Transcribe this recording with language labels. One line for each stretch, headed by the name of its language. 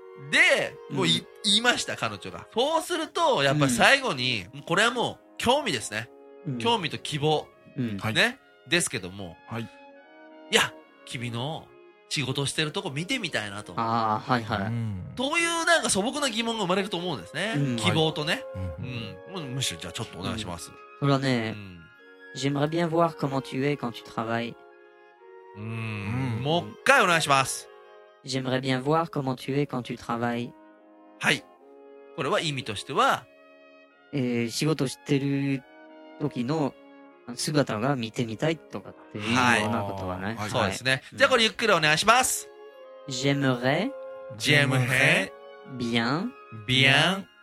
Japanese: で、もう、うん、言いました、彼女が。そうすると、やっぱり最後に、うん、これはもう、興味ですね。うん、興味と希望。うん、ね、うん。ですけども、はい、いや、君の仕事してるとこ見てみたいなと。ああ、はいはい。というなんか素朴な疑問が生まれると思うんですね。うん、希望とね、はい、うんうん。むしろ、じゃあちょっとお願いします。うん、それはね、うん、
French: J'aimerais bien voir comment tu es quand tu travailles.
Japanese: もう一回お願いします。
French: J'aimerais bien voir comment tu es quand tu travailles.
Japanese: はい。これは意味としては、仕事してる時の姿が見てみたいとかっていうようなことはね。はい、はい、そうですね。じゃあこれゆっくりお願いします。
French: J'aimerais bien bien